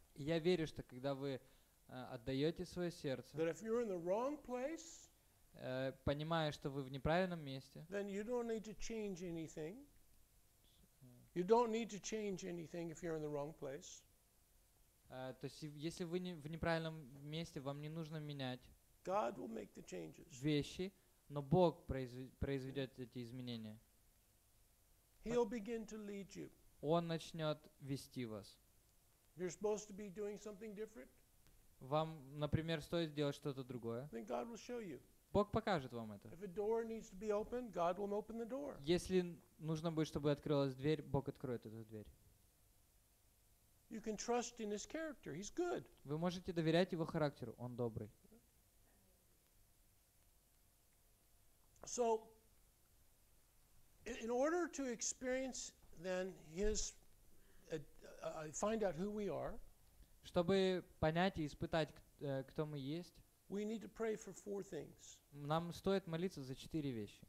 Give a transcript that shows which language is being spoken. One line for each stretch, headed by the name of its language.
Russian: Я верю, что когда вы отдаете свое сердце.
English: That if you're in the wrong place,
Russian: понимая, что вы в неправильном месте.
English: Then you don't need to change anything. You don't need to change anything if you're in the wrong place.
Russian: То есть если вы не в неправильном месте, вам не нужно менять.
English: God will make the changes.
Russian: Вещи. Но Бог произведет эти изменения.
English: He'll begin to lead you.
Russian: Он начнет вести вас.
English: You're supposed to be doing something different?
Russian: Вам, например, стоит сделать что-то другое.
English: Then God will show you.
Russian: Бог покажет вам это.
English: If a door needs to be opened, God will open the door.
Russian: Если нужно будет, чтобы открылась дверь, Бог откроет эту дверь.
English: You can trust in his character. He's good.
Russian: Вы можете доверять его характеру. Он добрый.
English: So, in order to experience then his, find out who we are.
Russian: Чтобы понять и испытать, кто мы есть.
English: We need to pray for 4 things.
Russian: Нам стоит молиться за 4 вещи.